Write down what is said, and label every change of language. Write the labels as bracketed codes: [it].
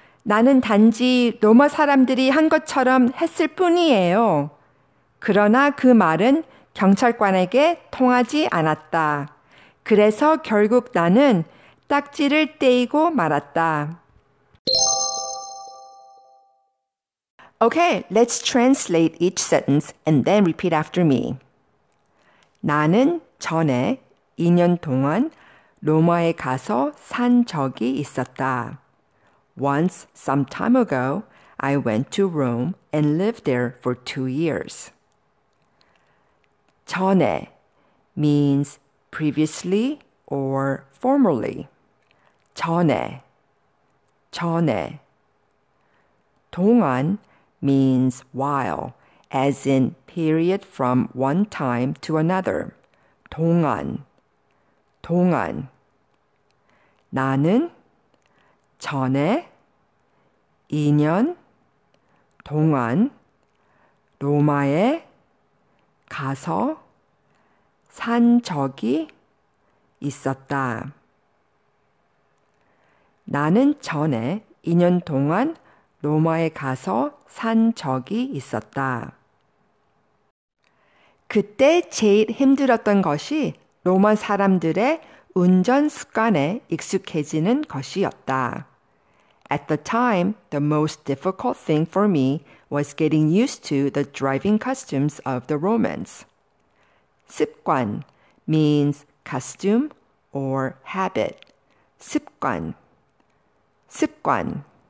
[ko] 나는 단지 로마 사람들이 한 것처럼 했을 뿐이에요. 그러나 그 말은 경찰관에게 통하지 않았다. 그래서 결국 나는 딱지를 떼이고 말았다. [en] Okay, let's translate each sentence and then repeat after me. [ko] 나는 전에 2년 동안 로마에 가서 산 적이 있었다. [en] Once, some time ago, I went to Rome and lived there for 2 years. 전에 means previously or formerly. 전에, 전에. 동안 means while, as in period from one time to another. [ko] 동안, 동안. 나는 전에 2년 동안 로마에 가서 산 적이 있었다. 나는 전에 2년 동안 로마에 가서 산 적이 있었다. 그때 제일 힘들었던 것이 로마 사람들의 운전 습관에 익숙해지는 것이었다. [en] At the time, the most difficult thing for me was getting used to the driving customs of the Romans. 습관 means custom or habit. [ko] 습관, 습관.